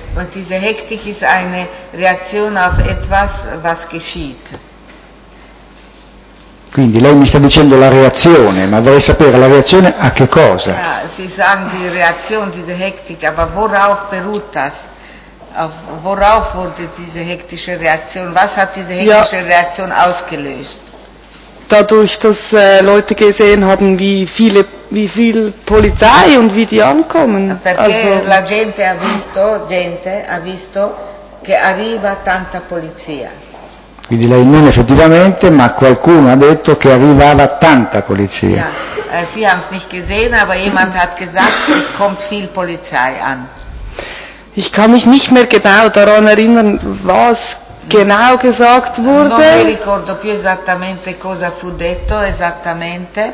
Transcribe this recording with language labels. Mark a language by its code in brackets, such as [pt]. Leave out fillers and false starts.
[de] Diese Hektik ist eine Reaktion auf etwas, was geschieht. [it] Quindi lei mi sta dicendo la reazione, ma vorrei sapere la reazione a che cosa? [de] Sie sagen die Reaktion, diese Hektik, aber worauf beruht das? Worauf wurde diese hektische Reaktion? Was hat diese hektische Reaktion ausgelöst? Dadurch, dass Leute gesehen haben, wie viel Polizei und wie die ankommen. [it] Perché la gente ha visto, che arriva tanta polizia. Quindi lei non effettivamente, ma qualcuno ha detto che arrivava tanta polizia. [de] Ja, Sie haben es nicht gesehen, aber jemand hat gesagt, es kommt viel Polizei an. Ich kann mich nicht mehr genau daran erinnern, was genau gesagt wurde. [it] Non mi ricordo più esattamente cosa fu detto, esattamente.